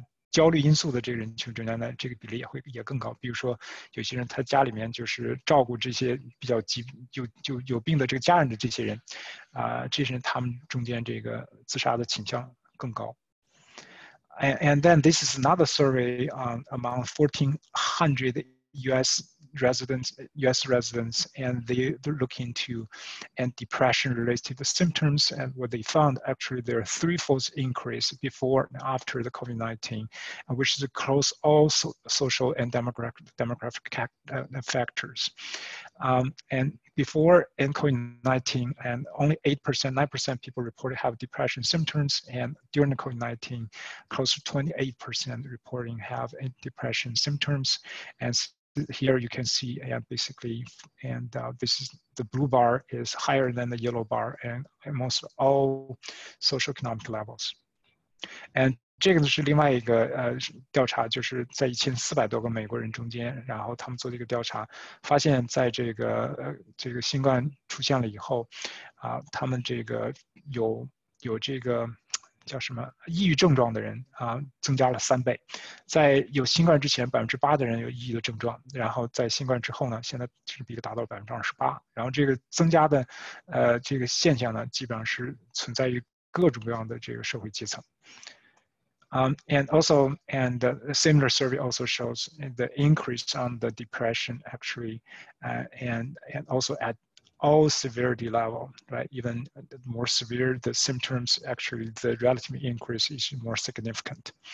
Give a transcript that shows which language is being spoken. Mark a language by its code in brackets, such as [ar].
[zh] 焦虑因素的这个人群中间呢，这个比例也会更高。比如说，有些人他家里面就是照顾这些比较有病的这个家人的这些人，这些人他们中间这个自杀的倾向更高。 [en] And then this is another survey among 1,400 U.S. residents, and they're looking to and depression related to the symptoms, and what they found actually there are threefold increase before and after the COVID-19, which is across all social and demographic factors. And before in COVID-19, and only 9% people reported have depression symptoms, and during the COVID-19, close to 28% reporting have depression symptoms, and here you can see this is the blue bar is higher than the yellow bar and almost all socioeconomic levels. [zh] And 这个是另外一个调查，就是在 1400多个美国人中间，然后他们做了一个调查，发现在这个新冠出现了以后，他们这个有这个 叫什么抑郁症状的人增加了3倍，在有新冠之前 8%的人有抑郁的症状，然后在新冠之后呢，现在这个比例达到了 28%，然后这个增加的这个现象呢，基本上是存在于各种各样的这个社会阶层。 [en] And a similar survey also shows the increase on the depression actually and also at all severity level, right? Even more severe the symptoms, actually the relative increase is more significant.